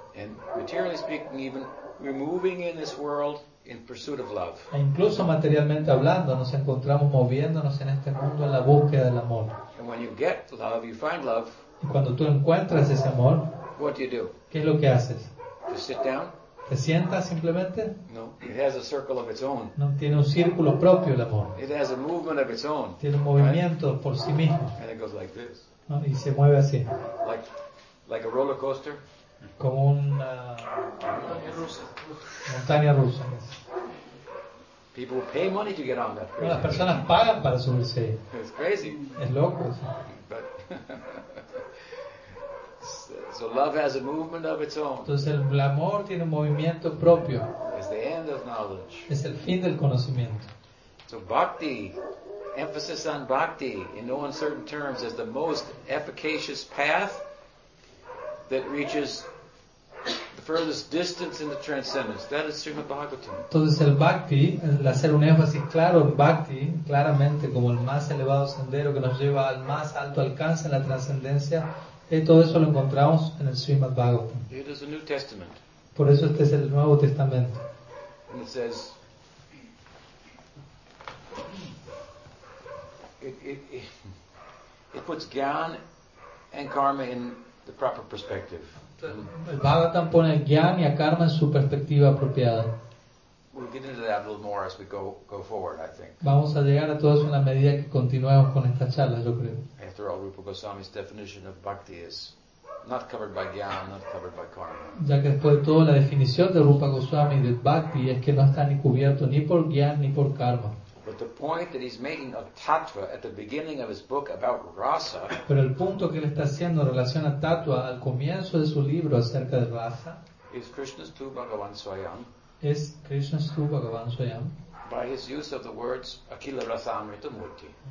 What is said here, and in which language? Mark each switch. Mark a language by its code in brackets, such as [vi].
[en] And materially speaking, even we're moving in this world in pursuit of love. [es] E incluso materialmente hablando, nos encontramos moviéndonos en este mundo en la búsqueda del amor. [en] And when you get love, you find love. [es] Y cuando tú encuentras ese amor, [en] what do you do? [es] ¿Qué es lo que haces? [en] Just sit down. [es] ¿Te sientas simplemente? [en] No, it has a circle of its own. [es] No, tiene un círculo propio el amor. [en] It has a movement of its own. [es] Tiene un movimiento, [en] right? [es] Por sí mismo. [en] And it goes like this. [es] ¿No? Y se mueve así. [en] Like a roller coaster. [es] Como una montaña rusa. Montaña rusa. [en] People pay money to get on that. [es] Bueno, las personas pagan para subirse. [en] It's crazy. [es] Es loco. Eso. [en] But so love has a movement of its own. [es] Entonces el amor tiene un movimiento propio. [en] It's the end of knowledge. [es] Es el fin del conocimiento. [en] So bhakti, emphasis on bhakti, in no uncertain terms, is the most efficacious path that reaches the furthest distance in the transcendence. That is Srimad Bhagavatam. [es] Entonces el bhakti, el hacer un énfasis claro en bhakti, claramente como el más elevado sendero que nos lleva al más alto alcance en la trascendencia. Y todo eso lo encontramos en el Srimad Bhagavatam. [en] It is a New Testament. [es] Por eso este es el Nuevo Testamento. [en] And it says, it puts Gyan and Karma in the proper perspective. [es] El Bhagavatam pone Gyan y a Karma en su perspectiva apropiada. [en] We'll get into that a little more as we go forward, I think. [es] Vamos a llegar a todo eso en la medida que continuemos con esta charla, yo creo. [en] After all, Rupa Goswami's definition of bhakti is not covered by jnana, not covered by karma. [es] Ya que después de todo, la definición de Rupa Goswami de bhakti es que no está ni cubierto ni por jnana ni por karma. [en] But the point that he's making of tattva at the beginning of his book about rasa. [es] Pero el punto que él está haciendo en relación a tattva al comienzo de su libro acerca de rasa [sa] is Krishna's tu Bhagavan Swayam. Es Krishna's tu Bhagavan Swayam. [en] By his use of the words akila rasamrita murti.